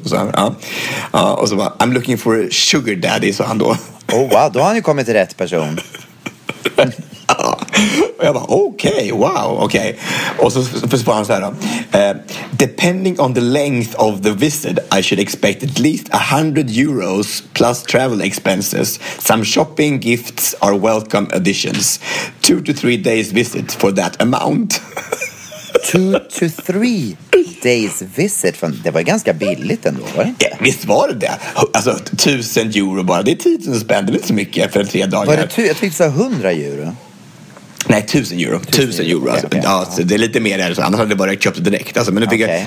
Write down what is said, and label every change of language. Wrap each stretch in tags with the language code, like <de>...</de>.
<sv>Så här, och så bara,</sv> <en>I'm looking for a sugar daddy,</en> <sv>sa han då. Oh wow, då har han ju kommit till rätt person. Ja. Och jag bara, okej, okay, wow, okej. Okay. Och så svarar han så här då.</sv> <en>Depending on the length of the visit, I should expect at least 100 euros plus travel expenses. Some shopping gifts are welcome additions. 2 to 3 days visit for that amount. 2 to 3 days visit.</en> <sv>Det var ganska billigt ändå, var det inte? Ja, visst var det det. Alltså 1000 euro bara. Det är 1000 spänn, det är inte så mycket för 3 dagar. Jag tyckte så 100 euro. Nej, 1,000 euro. 1,000 euro. Okay, alltså. Okay, alltså, det är lite mer än så. Annars hade jag bara köpt det direkt. Alltså, men nu, okay.</sv>